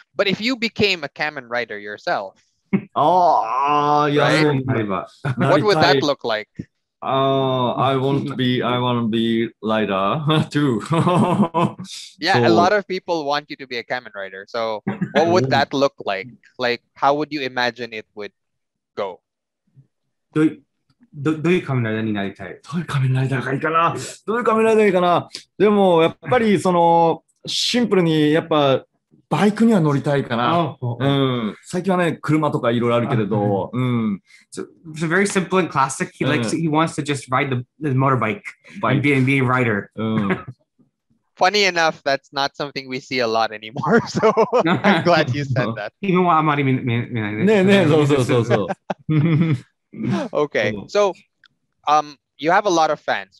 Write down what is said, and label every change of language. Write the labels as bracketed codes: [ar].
[en] But if you became a Kamen Rider yourself, what would that look like? I want to be Rider too. Yeah, so, a lot of people want you to be a Kamen Rider. So what would that look like? Like, how would you imagine it would go? [ja] どういう仮面ライダーになりたい？どういう仮面ライダーがいいかな？どういう仮面ライダーがいいかな？でもやっぱりそのシンプルにやっぱバイクには乗りたいかな。最近はね車とかいろいろあるけれど、 [en] So very simple and classic. He likes he wants to just ride the motorbike and be a rider. Funny enough, that's not something we see a lot anymore. So I'm glad you said that. [ja] 今はあまり見ないね。ねえねえ、そう。 [en] Okay, so you have a lot of fans.